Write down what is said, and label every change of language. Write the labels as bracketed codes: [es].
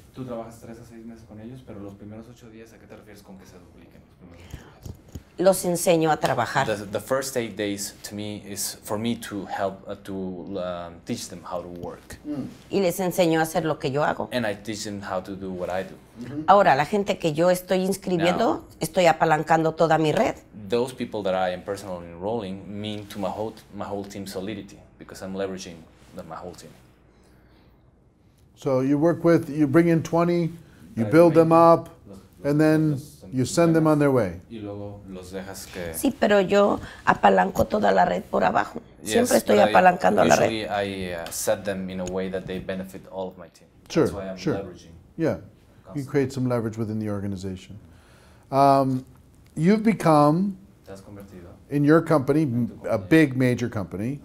[es] Tú trabajas 3 a 6 meses con ellos, pero los primeros 8 días, ¿a qué te refieres con que se dupliquen? Los enseño a trabajar. [en] The first 8 days to me is for me to help teach them how to work. [es] Y les enseño a hacer lo que yo hago. [en] And I teach them how to do what I do. Mm-hmm. [es] Ahora la gente que yo estoy inscribiendo, [en] now, [es] estoy apalancando toda mi red. [en] Those people that I am personally enrolling mean to my whole team solidity because I'm leveraging my whole team. So you work with, you bring in 20, you build them up, and then you send them on their way. [es] Y luego los dejas que sí, pero yo apalanco toda la red por abajo. [en] Yes, [es] siempre estoy apalancando la red. [en] Usually I set them in a way that they benefit all of my team. Sure, that's why I'm sure. Leveraging. Yeah, constantly. You create some leverage within the organization. You've become, in your company, a big major company,